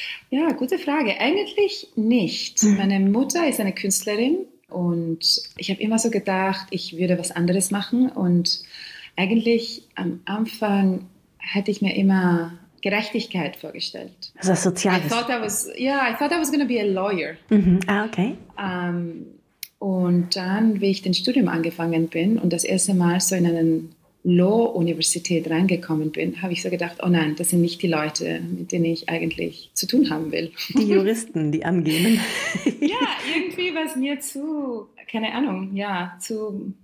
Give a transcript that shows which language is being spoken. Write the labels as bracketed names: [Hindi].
[German] Ja, gute Frage. Eigentlich nicht. Mhm. Meine Mutter ist eine Künstlerin und ich habe immer so gedacht, ich würde was anderes machen. Und eigentlich am Anfang hätte ich mir immer Gerechtigkeit vorgestellt. Also Soziales. [English] I thought I was going to be a lawyer. Mm-hmm. Ah, okay. [German] Und dann, wie ich den Studium angefangen bin und das erste Mal so in eine Law-Universität reingekommen bin, habe ich so gedacht, oh nein, das sind nicht die Leute, mit denen ich eigentlich zu tun haben will. Die Juristen, die angehen. Ja, irgendwie war es mir zu, keine Ahnung, ja, zu